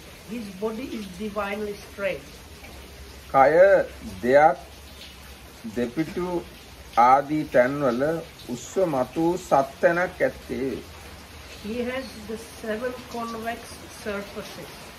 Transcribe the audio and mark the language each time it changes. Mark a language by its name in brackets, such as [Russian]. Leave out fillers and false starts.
[English] His body is divinely straight. [Sinhala] කය දෙයක් දෙපිටු ආදි තැන්වල උස්ව මතු සත්තනක් ඇත්තේ. [English] He has the seven convex surfaces.